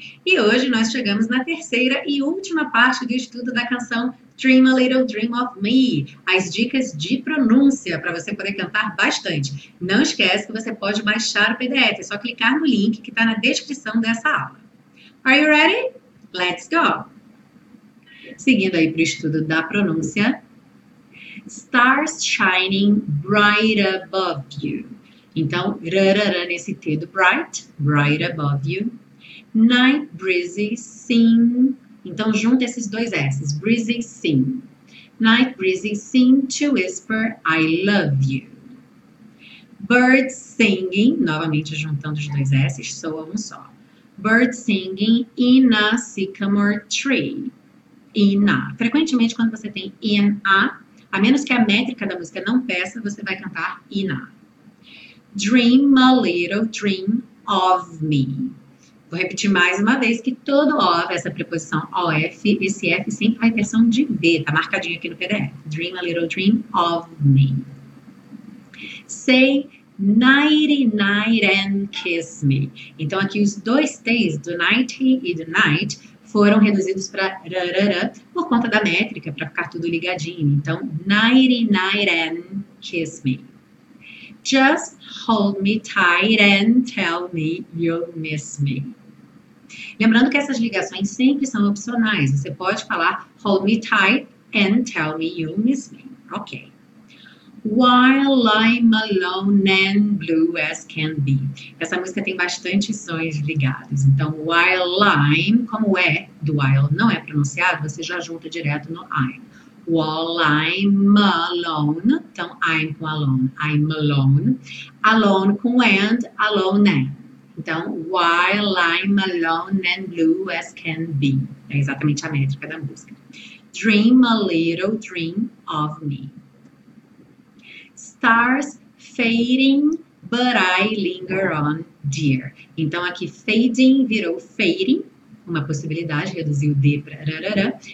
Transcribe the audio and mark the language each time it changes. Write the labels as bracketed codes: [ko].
[pt] E hoje nós chegamos na terceira e última parte do estudo da canção Dream a Little Dream of Me, as dicas de pronúncia para você poder cantar bastante. Não esquece que você pode baixar o PDF, é só clicar no link que está na descrição dessa aula. [en] Are you ready? Let's go! [pt] Seguindo aí para o estudo da pronúncia. [en] Stars shining bright above you. [pt] Então, rarara nesse T do [en] bright, bright above you. Night breezes sing. [pt] Então, junta esses dois S's. [en] Breezy sing. Night breezy sing to whisper I love you. Birds singing. [pt] Novamente, juntando os dois S's, soa um só. [en] Birds singing in a sycamore tree. In a. [pt] Frequentemente, quando você tem in a menos que a métrica da música não peça, você vai cantar in a. [en] Dream a little dream of me. [pt] Vou repetir mais uma vez que todo of, essa preposição of, esse f sempre vai versão de V, tá marcadinho aqui no PDF. [en] Dream a little dream of me. Say nighty night and kiss me. [pt] Então aqui os dois T's, do nighty e do night, foram reduzidos para rarara por conta da métrica, para ficar tudo ligadinho. [en] Então, nighty night and kiss me. Just hold me tight and tell me you'll miss me. [pt] Lembrando que essas ligações sempre são opcionais. Você pode falar [en] hold me tight and tell me you'll miss me. Ok. While I'm alone and blue as can be. [pt] Essa música tem bastante sons ligados. Então, [en] while I'm, [pt] como é do while não é pronunciado, você já junta direto no I'm. [en] While I'm alone. Então, I'm com alone. I'm alone. Alone com and, alone and. Então, while I'm alone and blue as can be. [pt] É exatamente a métrica da música. [en] Dream a little dream of me. Stars fading, but I linger on, dear. [pt] Então, aqui, fading virou fading, uma possibilidade, reduziu o D para rarara.